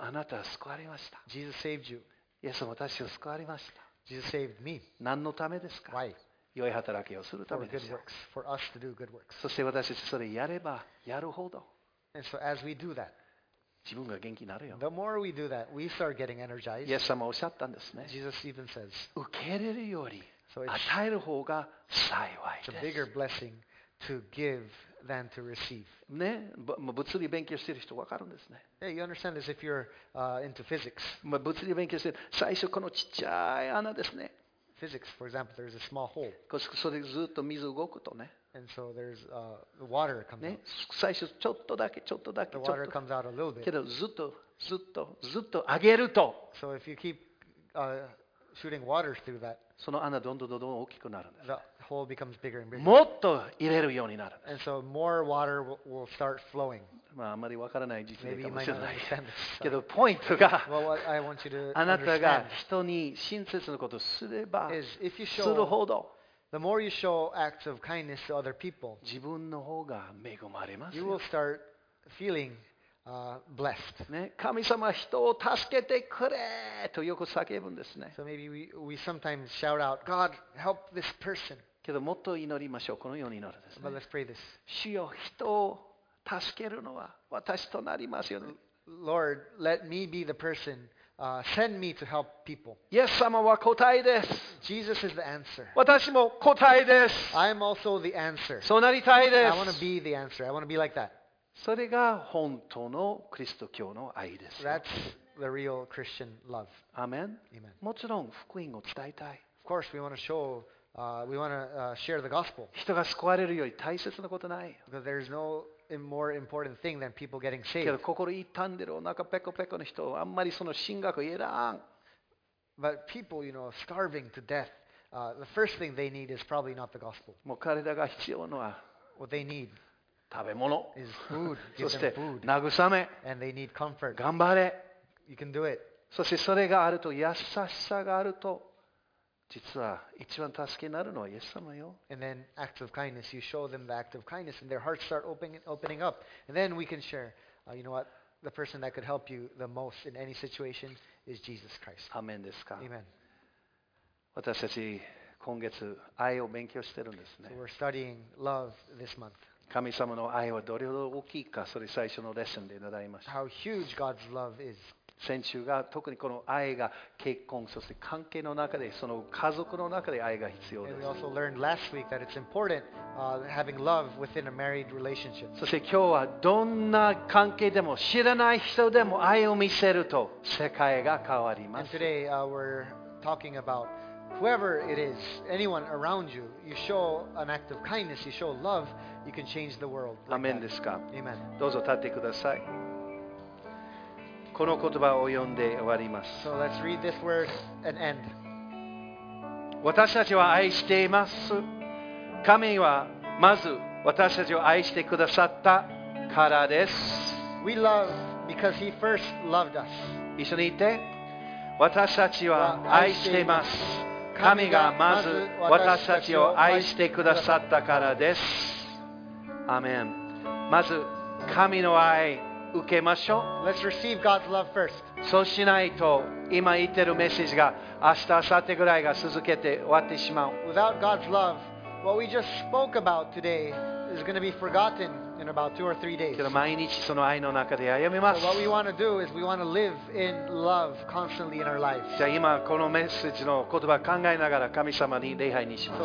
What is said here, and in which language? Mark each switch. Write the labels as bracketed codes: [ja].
[ja] あなたは救われました。イエス様私を救われました。 [en] Jesus saved me. [ja] 何のためですか、 [en] Why? [ja] 良い働きをするためですよ。 [en] For good works. For us to do good works. [ja] そして私たちそれやればやるほど。 [en] And so as we do that, [ja] 自分が元気になるよ。 [en] The more we do that, we start getting energized. [ja] イエス様はおっしゃったんですね。 [en] Jesus even says, [ja] 受けれるより与える方が幸いです。 [en] It's a bigger blessing to give than to receive. [ja] ね、物理勉強してる人分かるんですね。 [en] Yeah, you understand this if you're into physics. [ja] 物理勉強してる、最初このちっちゃい穴ですね。 [en] Physics, for example, there's a small hole. [ja] それずっと水動くとね。 [en] And so there's the water comes out. [ja] 最初ちょっとだけちょっとだけ。 [en] The water comes out a little bit. [ja] けどずっとずっとずっと上げると。 [en] So if you keep shooting water through that. [ja] その穴どんどんどんどん大きくなるんです。 [en] The hole becomes bigger and bigger. [ja] もっと入れるようになる。 [en] And so more water will start flowing. [ja] まああまりわからない実例かもしれない。 [en] Maybe you might not understand this. [ja] けどポイントが。 [en] Well, what I want you to understand. [ja] あなたが人に親切なことをすれば。 [en] Is if you show. [ja] するほど。 [en] The more you show acts of kindness to other people, [ja] 自分の方が恵まれますよ。 [en] You will start feeling blessed. [ja] ね、神様は人を助けてくれとよく叫ぶんですね。 [en] So maybe we sometimes shout out, God, help this person. [ja] けどもっと祈りましょう。このように祈るですね。 [en] But let's pray this. [ja] 主よ、人を助けるのは私となりますよね。 [en] Lord, let me be the person. Send me to help people. [ja] Yes, 様は答えです。 [en] Jesus is the answer. [ja] 私も答えです。 [en] I am also the answer. [ja] そうなりたいです。 [en] I want to be the answer. I want to be like that. [ja] それが本当のキリスト教の愛です。 [en] That's the real Christian love. Amen. Amen. [ja] もちろん福音を伝えたい。 [en] Of course, we want to show, we want to share the gospel. [ja] 人が救われるより大切なことない。 [en] Because there's noMore important thing than people getting saved. [ja] けど心痛んでるお腹ペコペコの人あんまりその神学言えらん。 [en] But people, you know, starving to death, the first thing they need is probably not the gospel. [ja] もう体が必要のは。 [en] What they need. [ja] 食べ物。 [en] Is food. [ja] そして慰め。 [en] And they need comfort. [ja] 頑張れ。 [en] You can do it. [ja] そしてそれがあると優しさがあると。実は一番助けになるのはイエス様よ。 [en] And then acts of kindness, you show them the act of kindness, and their hearts start opening up. And then we can share, you know what, the person that could help you the most in any situation is Jesus Christ. [ja] Amen ですか。 [en] Amen. [ja] 私たち今月愛を勉強してるんですね。 [en] So we're studying love this month. [ja] 神様の愛はどれほど大きいか、それ最初のレッスンで習いました。 [en] How huge God's love is. [ja] 先週が特にこの愛が結婚そして関係の中でその家族の中で愛が必要です。 [en] And we also learned last week that it's important having love within a married relationship. [ja] そして今日はどんな関係でも知らない人でも愛を見せると世界が変わります。 [en] And today we're talking about whoever it is, anyone around you, you show an act of kindness, you show love, you can change the world. [ja] アメンですか。 [en] Amen. [ja] どうぞ立ってください。この言葉を読んで終わります。 [en] So let's read this word and end. [ja] 私たちは愛しています。神はまず私たちを愛してくださったからです。 [en] We love because he first loved us. [ja] 一緒に言って。私たちは愛しています。神がまず私たちを愛してくださったからです。アメン。まず神の愛。受けましょう。 [en] Let's receive God's love first. [ja] そうしないと今言ってるメッセージが明日明後日ぐらいが続けて終わってしまう。 [en] Without God's love, what we just spoke about today is going to be forgotten in about two or three days. [ja] けど毎日その愛の中で歩みます。 [en] So what we want to do is we want to live in love constantly in our lives. [ja] じゃあ今このメッセージの言葉考えながら神様に礼拝にします。